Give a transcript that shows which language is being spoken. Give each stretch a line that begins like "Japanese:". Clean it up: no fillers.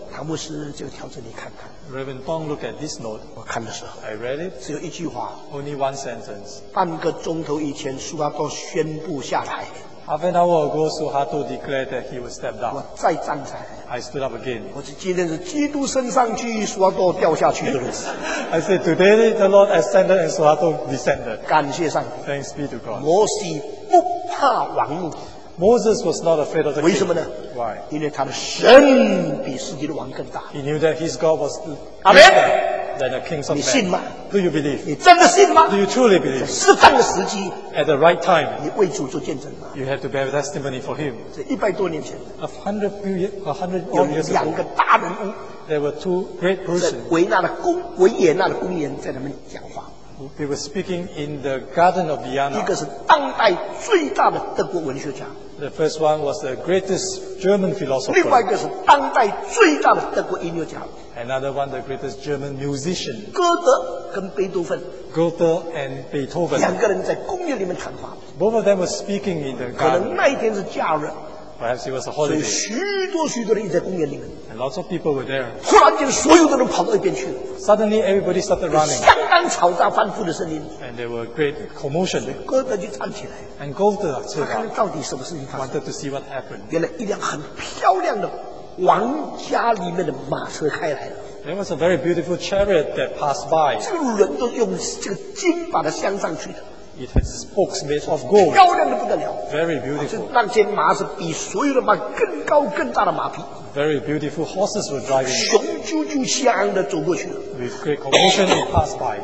Chinese: 唐牧师，这个条子你看看。
English: Reverend Tong, look at this note.
Chinese: 我看的时候
English: ，I read it.
Chinese: 只有一句话。
English: Only one sentence.
Chinese: 半个钟头以前，苏哈多宣布下台。
English: Half an hour ago, 苏哈多 declared that he would step down.
Chinese: 我再站起来。
English: I stood up again.
Chinese: 我是今天是基督升上去，苏哈多掉下去的日子。
English: I said today the Lord ascended and 苏哈多 descended.
Chinese: 感谢上帝。
English: Thanks be to God.
Chinese: 摩西不怕王怒。
English: Moses was not afraid of the king.
Chinese: 为什么呢
English: ？Why?
Chinese: 因为他的神比世界的王更大。
English: He knew that his God was Amen. than the kings of men.
Chinese: 你信吗？
English: Do you believe?
Chinese: 你真的信吗？
English: Do you truly believe?
Chinese: 在适当的时机，
English: at the right time,
Chinese: 你为主做见证吗？
English: You have to bear testimony for him.
Chinese: 这一百多年前，
English: a hundred years ago,
Chinese: 有两个大人物，
English: there were two great persons.
Chinese: 在维也纳的公园在他们讲话。
English: They were speaking in the Garden of Vienna.
Chinese: 一个是当代最大的德国文学家。
English: The first one was the greatest German philosopher.
Chinese: 另外一个是当代最大的德国音乐家。
English: Another one, the greatest German musician.
Chinese: 歌德跟贝多芬。
English: Goethe and Beethoven.
Chinese: 两个人在公园里面谈话。
English: Both of them were speaking in the garden.
Chinese: 可能那一天是假日。
English: Perhaps it was a holiday.
Chinese: 所以许多许多人在公园里面。
English: And lots of people were there.
Chinese: 突然间，所有的人跑到一边去了。
English: Suddenly, everybody started running.
Chinese: 相当嘈杂、繁复的声音。
English: And there were great commotion.
Chinese: 所以歌德就站起来。 And Goethe 站起来。他看看到底什么事情发生。
English: Wanted to see what happened.
Chinese: 原来一辆很漂亮的王家里面的马车开来了。
English: There was a very beautiful chariot that passed by.
Chinese: 这个人都用这个金把它镶上去的。
English: It has spokes made of gold.
Chinese: 漂亮的不得了。
English: Very beautiful.
Chinese: 那些马是比所有的马更高更大的马匹。
English: Very beautiful horses were driving.
Chinese: 雄赳赳气昂的走过去了。
English: With great commotion, it passed by.